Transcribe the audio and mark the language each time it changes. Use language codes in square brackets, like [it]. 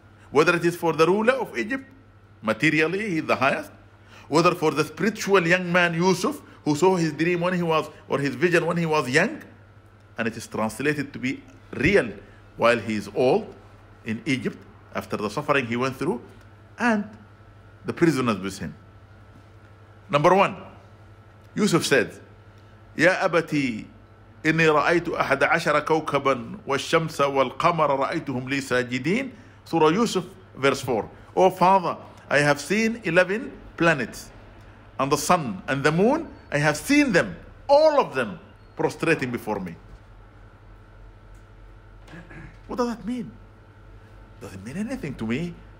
[en] Whether it is for the ruler of Egypt, materially he's the highest, whether for the spiritual young man Yusuf, who saw his dream when he was, or his vision when he was young, and it is translated to be real while he is old in Egypt after the suffering he went through, and the prisoners with him. Number one, Yusuf said, [ar] Ya Abati, إني رأيت أحد عشر كوكبا والشمس والقمر رأيتهم لي ساجدين. سورة يوسف verse 4. [en] Oh father, I have seen 11 planets and the sun and the moon. I have seen them, all of them prostrating before me. What does that mean? Doesn't mean anything to me.